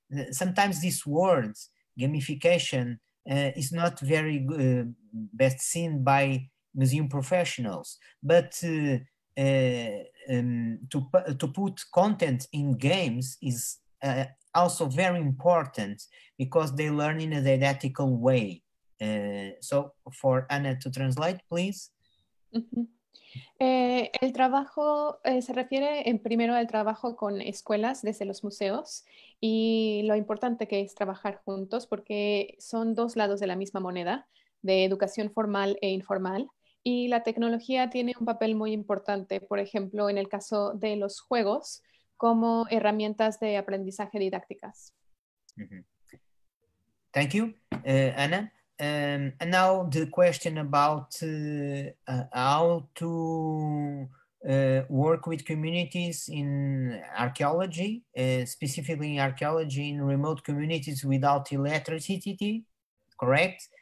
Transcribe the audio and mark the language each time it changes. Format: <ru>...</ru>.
<en>Sometimes these words, gamification, is not very best seen by museum professionals. But to put content in games is also very important because they learn in a didactical way. So for Anna to translate, please.</en> <es>El trabajo se refiere en primero al trabajo con escuelas desde los museos y lo importante que es trabajar juntos porque son dos lados de la misma moneda, de educación formal e informal, y la tecnología tiene un papel muy importante, por ejemplo, en el caso de los juegos como herramientas de aprendizaje didácticas.</es> <en>Mm-hmm. Thank you, Anna. And now the question about how to work with communities in archaeology, specifically in archaeology in remote communities without electricity, correct?</en>